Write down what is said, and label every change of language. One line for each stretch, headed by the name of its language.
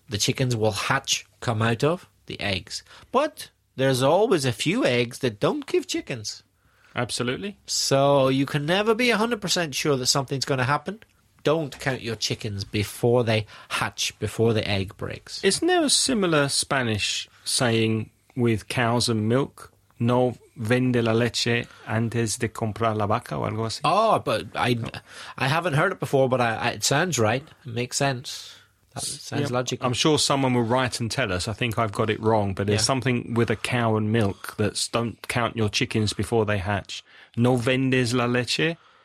English: The chickens will hatch, come out of the eggs. But there's always a few eggs that don't give chickens. Absolutely. So you can never be 100% sure that something's going to happen. Don't count your chickens before they hatch, before the egg breaks. Isn't there a similar Spanish saying with cows and milk?
Spanish: No vende la leche antes de comprar la vaca o algo así.
English: Oh, but I haven't heard it before, but it sounds right. It makes sense. Sounds logical. I'm sure someone will write and tell us. I think I've got it wrong, but there's something with a cow and milk that's don't count your chickens before they hatch.
Spanish: No vendes la leche